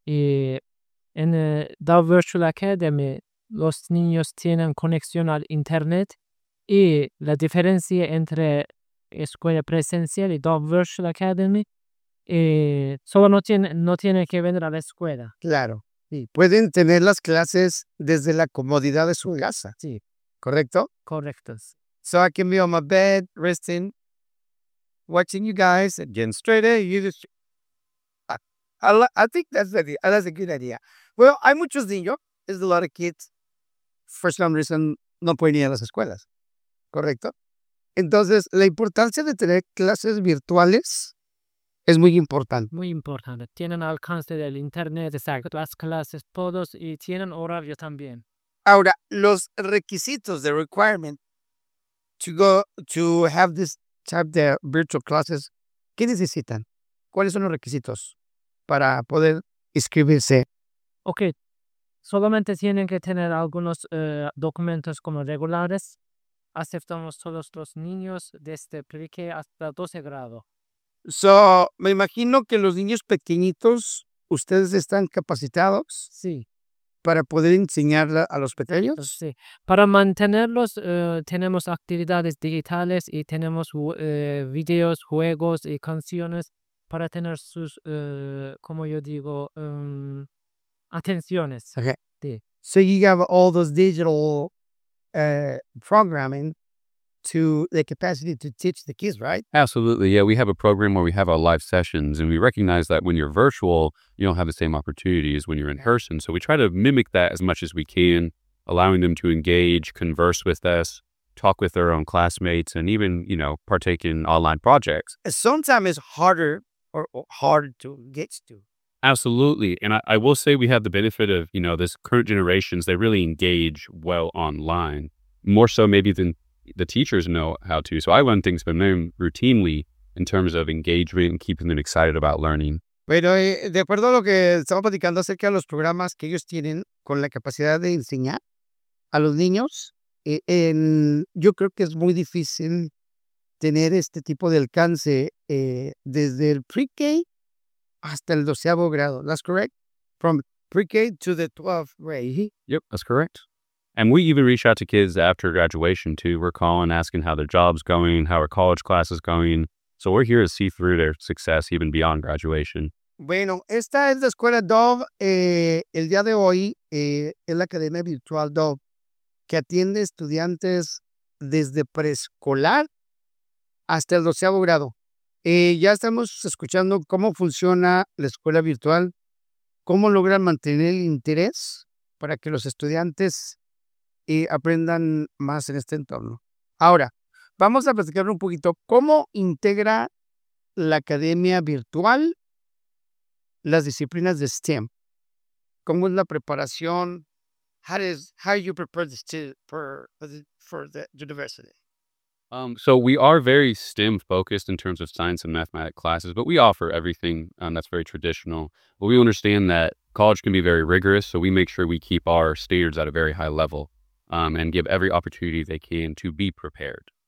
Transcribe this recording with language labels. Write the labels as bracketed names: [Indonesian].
[Spanish] Y en [English] the virtual academy, [Spanish] los niños tienen conexión al internet. Y la diferencia entre escuela presencial y [English] the virtual academy, [Spanish] solo no tiene que venir a la escuela. Claro. Sí, pueden tener las clases desde la comodidad de su casa. Sí. ¿Correcto? Correcto. [English] So I can be on my bed, resting, watching you guys, and getting straight A. You just, I think that's a good idea. Well, [Spanish] hay muchos niños. [English] There's a lot of kids. For some reason, [Spanish] no pueden ir a las escuelas. ¿Correcto? Entonces, la importancia de tener clases virtuales es muy importante. Muy importante. Tienen alcance del internet, exacto. Las clases, todos, y tienen horario también. Ahora, los requisitos, [English] the requirement to have this type of virtual classes, [Spanish] ¿qué necesitan? ¿Cuáles son los requisitos para poder inscribirse? Ok. Solamente tienen que tener algunos documentos como regulares. Aceptamos todos los niños desde pre-K hasta 12 grado. So, me imagino que los niños pequeñitos, ¿ustedes están capacitados? Sí. ¿Para poder enseñar a los pequeños? Sí. Para mantenerlos, tenemos actividades digitales y tenemos videos, juegos y canciones para tener sus, como yo digo, atenciones. Okay. Sí. [English] So, you have all those digital programming to the capacity to teach the kids, right? Absolutely. Yeah, we have a program where we have our live sessions, and we recognize that when you're virtual, you don't have the same opportunities when you're in person. So we try to mimic that as much as we can, allowing them to engage, converse with us, talk with their own classmates, and even, you know, partake in online projects. Sometimes it's harder or hard to get to. Absolutely. And I will say we have the benefit of, you know, this current generations, they really engage well online, more so maybe than the teachers know how to. So I run things for them routinely in terms of engagement and keeping them excited about learning. [Spanish] Bueno, de acuerdo a lo que estamos platicando acerca de los programas que ellos tienen con la capacidad de enseñar a los niños, yo creo que es muy difícil tener este tipo de alcance desde el pre-K hasta el 12º grado. [English] That's correct? From pre-K to the 12th grade. Yep, that's correct. And we even reach out to kids after graduation, too. We're calling, asking how their job's going, how are college classes going. So we're here to see through their success even beyond graduation. [Spanish] Bueno, esta es la escuela Dove. El día de hoy es la academia virtual Dove, que atiende estudiantes desde preescolar hasta el 12º grado. Ya estamos escuchando cómo funciona la escuela virtual, cómo logran mantener el interés para que los estudiantes aprendan más en este entorno. Ahora, vamos a platicar un poquito cómo integra la academia virtual las disciplinas de STEM. ¿Cómo es la preparación? [English] How you prepare the student for the university? So we are very STEM focused in terms of science and mathematics classes, but we offer everything that's very traditional. But we understand that college can be very rigorous, so we make sure we keep our standards at a very high level and give every opportunity they can to be prepared.